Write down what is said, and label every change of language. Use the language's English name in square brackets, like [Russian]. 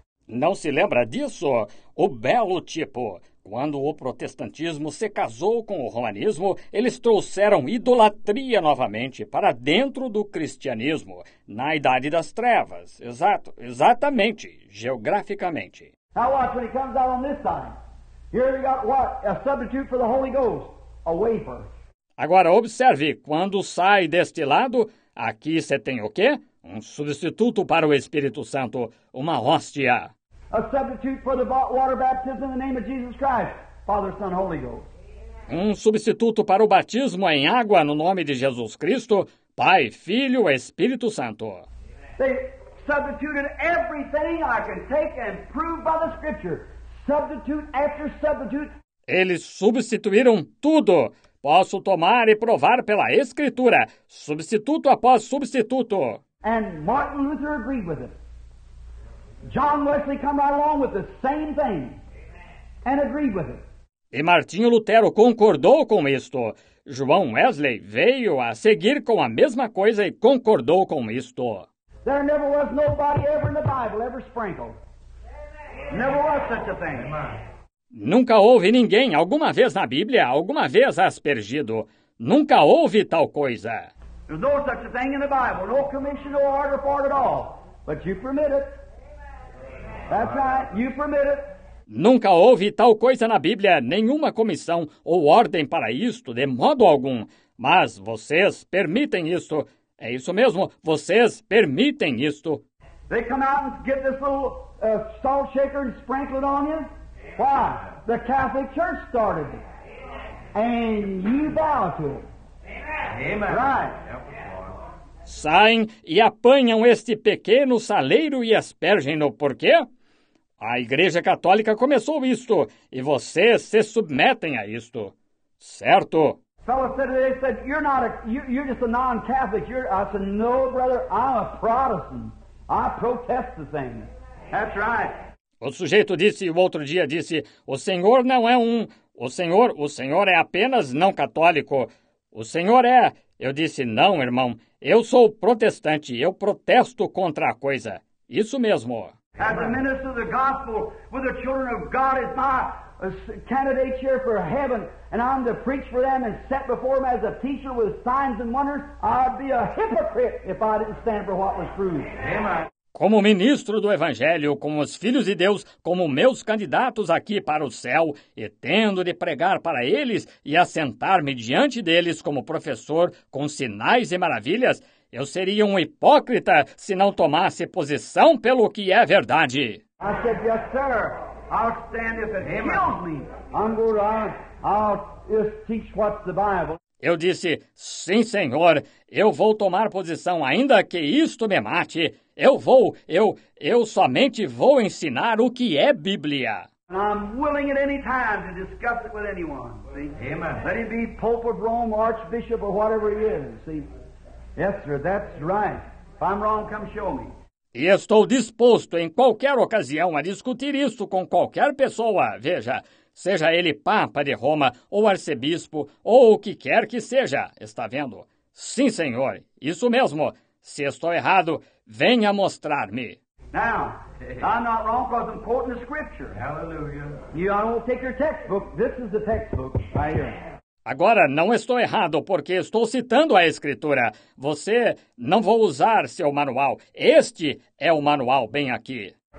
[Portuguese] Não se lembra disso? O belo tipo. Quando o protestantismo se casou com o romanismo, eles trouxeram idolatria novamente para dentro do cristianismo, na Idade das Trevas. Exato, exatamente, geograficamente. [English] Now watch when it comes out on this side. Here you got what? A substitute for the Holy Ghost, a wafer. [Portuguese] Agora observe, quando sai deste lado, aqui você tem o quê? Um substituto para o Espírito Santo, uma hóstia. [English] A substitute for the water baptism in the name of Jesus Christ, Father, Son, Holy Ghost. [Portuguese] Um substituto para o batismo em água no nome de Jesus Cristo, Pai, Filho, Espírito Santo. [English] They substituted everything I can take and prove by the Scripture. Substitute after substitute. [Portuguese] Eles substituíram tudo. Posso tomar e provar pela Escritura, substituto após substituto. [English] And Martin Luther agreed with it. John Wesley come right along with the same thing and agreed with it. [Portuguese] E Martinho Lutero concordou com isto. João Wesley veio a seguir com a mesma coisa e concordou com isto. [English] There never was nobody ever in the Bible ever sprinkled. Never was such a thing. [Portuguese] Nunca houve ninguém, alguma vez na Bíblia, alguma vez aspergido. Nunca houve tal coisa. [English] There's no such a thing in the Bible. No commission, no order for it at all. But you permit it. That's right. You permit it. [Portuguese] Nunca houve tal coisa na Bíblia, nenhuma comissão ou ordem para isto, de modo algum. Mas vocês permitem isto. É isso mesmo, vocês permitem isto. [English] They come out and get this little... A salt shaker and sprinkle it on you? Why? The Catholic Church started it. And you bow to it. Amen. Right. [Portuguese] Saem e apanham este pequeno saleiro e aspergem-no. Por quê? A Igreja Católica começou isto e vocês se submetem a isto. Certo? [English] Fellow said today, he said, you're just a non-Catholic. I said, no, brother, I'm a Protestant. I protest the thing. That's right. [Portuguese] O sujeito disse, o outro dia disse, o senhor não é um, o senhor é apenas não católico. O senhor é. Eu disse, não, irmão, eu sou protestante, eu protesto contra a coisa. Isso mesmo. [English] As a minister of the gospel with the children of God is my candidate here for heaven, and I'm to preach for them and set before them as a teacher with signs and wonders, I'd be a hypocrite if I didn't stand for what was true. Amen. [Portuguese] Como ministro do Evangelho, com os filhos de Deus, como meus candidatos aqui para o céu, e tendo de pregar para eles e assentar-me diante deles como professor com sinais e maravilhas, eu seria um hipócrita se não tomasse posição pelo que é verdade. [English] I said, yes, sir. I'll stand if it kills me. I'll teach what's the Bible. [Portuguese] Eu disse, sim, senhor, eu vou tomar posição, ainda que isto me mate. Eu somente vou ensinar o que é Bíblia. [English] I'm willing at any time to discuss it with anyone. See? Amen. Let him be Pope of Rome, Archbishop, or whatever he is. See? Yes, sir, that's right. If I'm wrong, come show me. [Portuguese] E estou disposto em qualquer ocasião a discutir isso com qualquer pessoa. Veja, seja ele Papa de Roma, ou Arcebispo, ou o que quer que seja. Está vendo? Sim, senhor. Isso mesmo. Se estou errado, venha mostrar-me. [English] Now, I'm not wrong because I'm quoting the scripture. Hallelujah. You don't take your textbook. This is the textbook right here. [Portuguese] Agora, não estou errado, porque estou citando a escritura. Você não vai usar seu manual. Este é o manual, bem aqui.